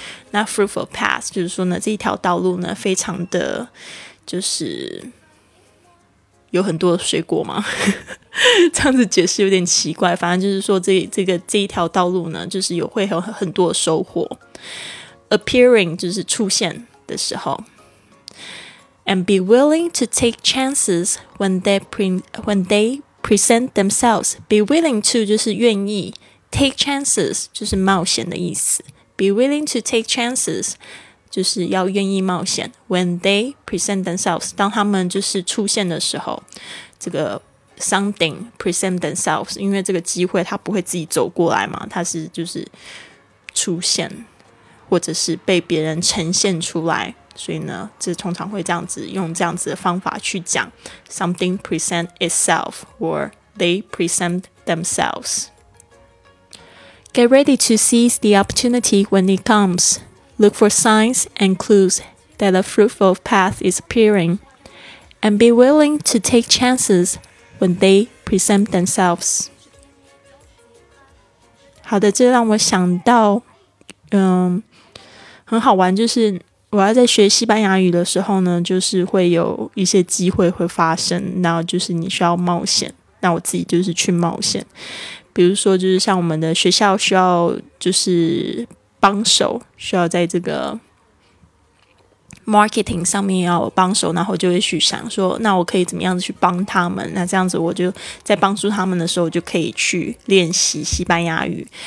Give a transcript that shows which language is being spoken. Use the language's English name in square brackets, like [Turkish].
[Chinese] 那 [English] fruitful path [Chinese] 就是说呢，这一条道路呢非常的就是有很多水果嘛这样子解释有点奇怪，反正就是说 这一条道路呢就是有会有很多收获。 Appearing 就是出现的时候。 [English] And be willing to take chances when they present themselves. Be willing to [Chinese] 就是愿意， [English] take chances [Chinese] 就是冒险的意思。 [English] Be willing to take chances [Chinese] 就是要愿意冒险。 [English] When they present themselves [Chinese] 当他们就是出现的时候，这个 [English] something present themselves [Chinese] 因为这个机会他不会自己走过来嘛，他是就是出现或者是被别人呈现出来，所以呢这通常会这样子用这样子的方法去讲 [English] something present itself or they present themselves. Get ready to seize the opportunity when it comes. Look for signs and clues that a fruitful path is appearing and be willing to take chances when they present themselves. [Chinese] 好的，这让我想到很好玩，就是我要在学西班牙语的时候呢，就是会有一些机会会发生，那就是你需要冒险，那我自己就是去冒险。比如说就是像我们的学校需要就是帮手，需要在这个 marketing 上面要帮手，然后就会去想说那我可以怎么样子去帮他们，那这样子我就在帮助他们的时候就可以去练习西班牙语。